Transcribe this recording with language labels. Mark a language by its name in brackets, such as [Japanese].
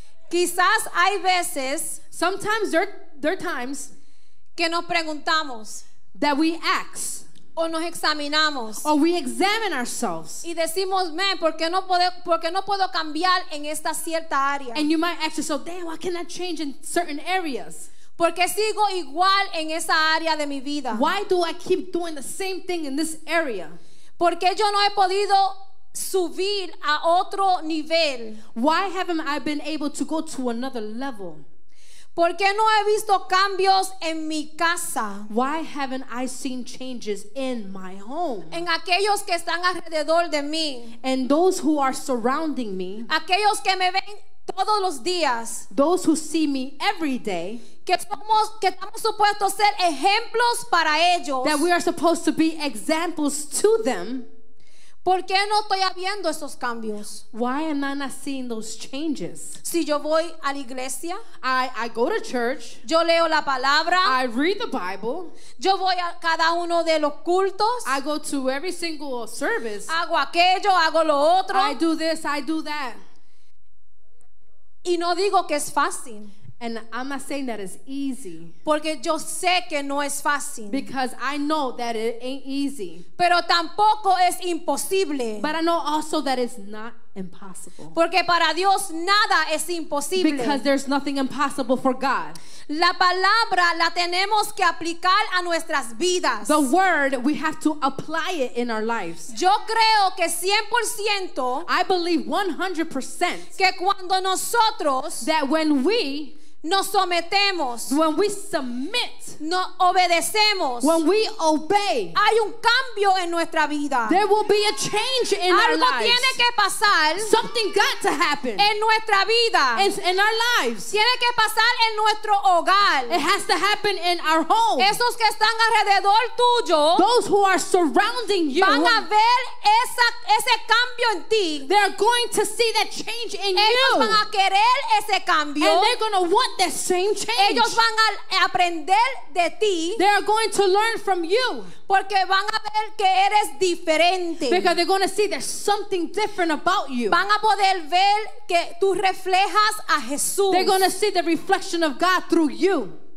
[Spanish] Quizás hay veces. [English] Sometimes there are times. [Spanish] Que nos preguntamos. [English] That we ask. [Spanish] O nos examinamos. [English] Or we examine ourselves. [Spanish] Y decimos, man, ¿por qué no puedo cambiar en esta cierta área? [English] And you might ask yourself, damn, why can't I change in certain areas? [Spanish] Porque sigo igual en esa área de mi vida. [English] Why do I keep doing the same thing in this area? [Spanish] Porque yo no he podido subir a otro nivel. [English] Why haven't I been able to go to another level? [Spanish] Porque no he visto cambios en mi casa. [English] Why haven't I seen changes in my home? [Spanish] En aquellos que están alrededor de mí. [English] And those who are surrounding me. [Spanish] Aquellos que me ven todos los días. [English] Those who see me every day. [Spanish] Que estamos supuestos ser ejemplos para ellos. [English] That we are supposed to be examples to them. [Spanish] ¿Por qué no estoy viendo esos cambios? [English] Why am I not seeing those changes? [Spanish] Si yo voy a la iglesia, [English] I go to church. [Spanish] Yo leo la palabra. [English] I read the Bible. [Spanish] Yo voy a cada uno de los cultos. [English] I go to every single service. [Spanish] Hago aquello, hago lo otro. [English] I do this, I do that. [Spanish] Y no digo que es fácil. [English] And I'm not saying that it's easy. [Spanish] Porque yo sé que no es fácil. [English] Because I know that it ain't easy. [Spanish] Pero tampoco es imposible. [English] But I know also that it's not impossible. [Spanish] Porque para Dios nada es imposible. [English] Because there's nothing impossible for God. [Spanish] La palabra la tenemos que aplicar a nuestras vidas. [English] The word, we have to apply it in our lives. [Spanish] Yo creo que 100%. [English] I believe 100%. [Spanish] Que cuando nosotros. [English] That when we. [Spanish] Nos sometemos. [English] When we submit. [Spanish] Nos obedecemos. [English] When we obey. [Spanish] Hay un cambio en nuestra vida. [English] There will be a change in our lives. [Spanish] Algo tiene que pasar. [English] Something got to happen. [Spanish] En nuestra vida. [English] In our lives. [Spanish] Tiene que pasar en nuestro hogar. [English] It has to happen in our home. [Spanish] Esos que están alrededor tuyo. [English] Those who are surrounding you. [Spanish] Van a ver ese cambio en ti. [English] They are going to see that change in [Spanish] ellos [English] you. [Spanish] Ellos van a querer ese cambio. [English] And they're going to want the same change. [Spanish] Ellos van a aprender de ti. [English] They are going to learn from you. [Spanish] Porque van a ver que eres diferente. [English] Because they're going to see there's something different about you. [Spanish] Van a poder ver que tú reflejas a Jesús. [English] They're going to see the reflection of God through you.